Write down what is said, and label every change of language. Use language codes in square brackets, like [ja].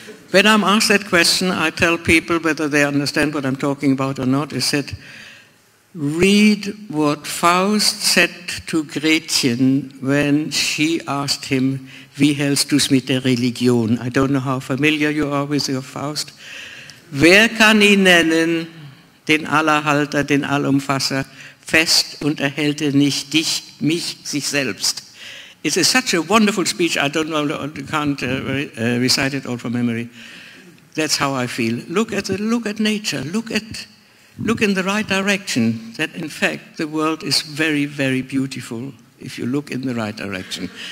[en] When I'm asked that question, I tell people, whether they understand what I'm talking about or not, is that read what Faust said to Gretchen when she asked him, [de] wie hältst du es mit der Religion? [en] I don't know how familiar you are with your Faust. [de] Wer kann ihn nennen, den Allerhalter, den Allumfasser, fest und erhält er nicht dich, mich, sich selbst? [en] It is such a wonderful speech, I don't know, I can't recite it all from memory. That's how I feel. Look at nature, look in the right direction, that in fact the world is very, very beautiful if you look in the right direction.